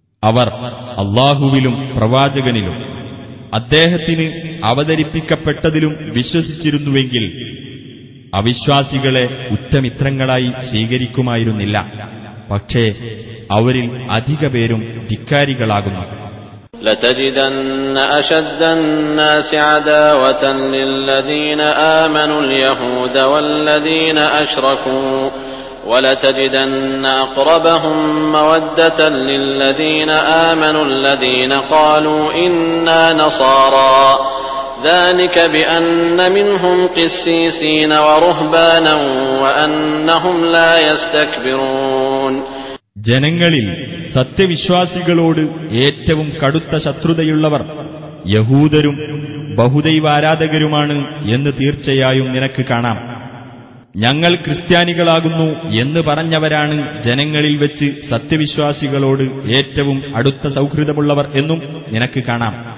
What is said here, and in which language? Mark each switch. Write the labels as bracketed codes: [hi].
[ml] അവർ അല്ലാഹുവിലും പ്രവാചകനിലും അദ്ദേഹത്തിന് അവതരിപ്പിക്കപ്പെട്ടതിലും വിശ്വസിച്ചിരുന്നുവെങ്കിൽ അവിശ്വാസികളെ ഉറ്റമിത്രങ്ങളായി സ്വീകരിക്കുമായിരുന്നില്ല. പക്ഷേ അവരിൽ അധിക പേരും ധിക്കാരികളാകുന്നു. [ar] لتجدن أشد الناس عداوة للذين آمنوا اليهود والذين أشركوا ولتجدن أقربهم مودة للذين آمنوا الذين قالوا إنا نصارى ذلك بأن منهم قسيسين ورهبانا وأنهم لا يستكبرون [ml] ജനങ്ങളിൽ സത്യവിശ്വാസികളോട് ഏറ്റവും കടുത്ത ശത്രുതയുള്ളവർ യഹൂദരും ബഹുദൈവാരാധകരുമാണ് എന്ന് തീർച്ചയായും നിനക്ക് കാണാം. ഞങ്ങൾ ക്രിസ്ത്യാനികളാകുന്നു എന്ന് പറഞ്ഞവരാണ് ജനങ്ങളിൽ വെച്ച് സത്യവിശ്വാസികളോട് ഏറ്റവും അടുത്ത സൗഹൃദമുള്ളവർ എന്നും നിനക്ക് കാണാം.